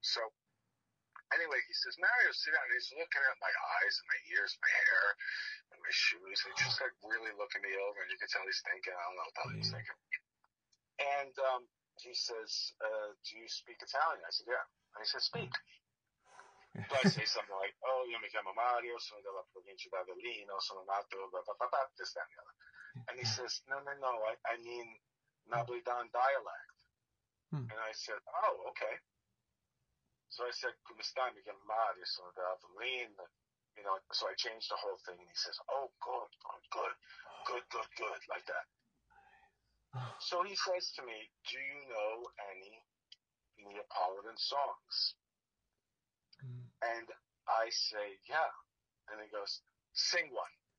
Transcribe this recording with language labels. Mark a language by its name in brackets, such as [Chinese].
[English] So anyway, he says, Mario, sit down. And he's looking at my eyes and my ears, my hair and my shoes. And he's just like really looking me over. And you can tell he's thinking, I don't know what mm-hmm. he's thinking. And he says, do you speak Italian? I said, yeah. And he says, speak. So I say something like, oh, you [Italian] mi chiamo Mario, sono della provincia di Avellino, sono nato, [English] blah, blah, blah, blah, this, that, and the other. And he says, no, I mean Nabilidan dialect. Hmm. And I said, oh, okay. So I said, [Italian] come stai, mi chiamo Mario, sono della Avellino. [English] You know, so I changed the whole thing, and he says, oh, good, like that. So he says to me, do you know any Neapolitan songs? And I say, yeah. And he goes, sing one.